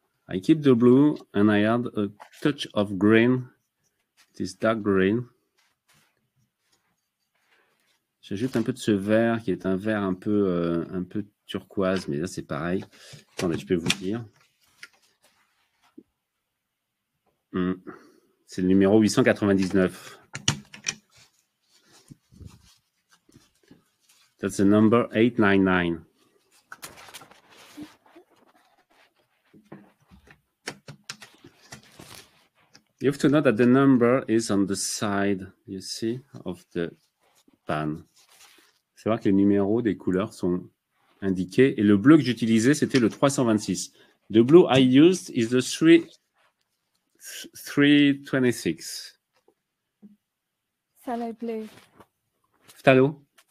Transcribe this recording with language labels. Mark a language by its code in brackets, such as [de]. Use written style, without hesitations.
[en] I keep the blue and I add a touch of green. This dark green. [fr] J'ajoute un peu de ce vert qui est un vert un peu turquoise, mais là c'est pareil. Attendez, je peux vous dire. C'est le numéro 899. [en] That's the number 899. You have to know that the number is on the side, you see, of the pan. [fr] C'est vrai que les numéros des couleurs sont indiqués. Et le bleu que j'utilisais, c'était le 326. [en] The blue I used is the 326. [fr] Salut bleu. Phtalo.